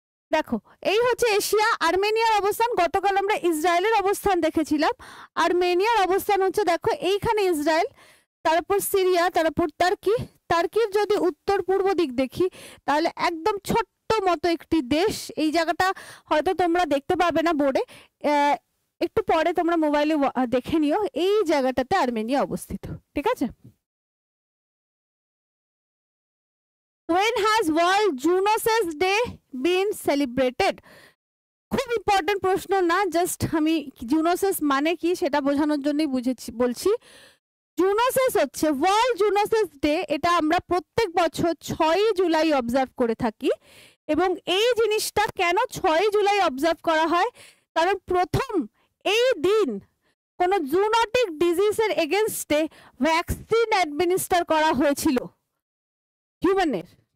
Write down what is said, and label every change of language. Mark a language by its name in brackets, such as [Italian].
[Bangla] দেখো এই হচ্ছে এশিয়া, আর্মেনিয়ার অবস্থান, গতকাল আমরা ইসরায়েলের অবস্থান দেখেছিলাম, আর্মেনিয়ার অবস্থান হচ্ছে দেখো এইখানে ইসরায়েল, তারপর সিরিয়া, তারপর তার্কি, তার্কির যদি উত্তর পূর্ব দিক দেখি তাহলে একদম ছোট্ট মতো একটি দেশ, এই জায়গাটা হয়তো তোমরা দেখতে পাবে না বোর্ডে, একটু পরে তোমরা মোবাইলে দেখে নিও, এই জায়গাটাতে আর্মেনিয়া অবস্থিত। ঠিক আছে, [English] When has World Junoses Day been celebrated? [Bangla] খুব ইম্পর্টেন্ট প্রশ্ন না, জাস্ট আমি জুনোসেস মানে কি সেটা বোঝানোর জন্যই বুঝেছি বলছি। জুনোসেস হচ্ছে ওয়ার্ল্ড জুনোসেস ডে, এটা আমরা প্রত্যেক বছর 6 জুলাই অবজার্ভ করে থাকি, এবং এই জিনিসটা কেন 6 জুলাই অবজার্ভ করা হয়, কারণ প্রথম এই দিন কোনো জুনোটিক ডিজিজের এগেনস্টে ভ্যাকসিন অ্যাডমিনিস্টার করা হয়েছিল হিউম্যানের।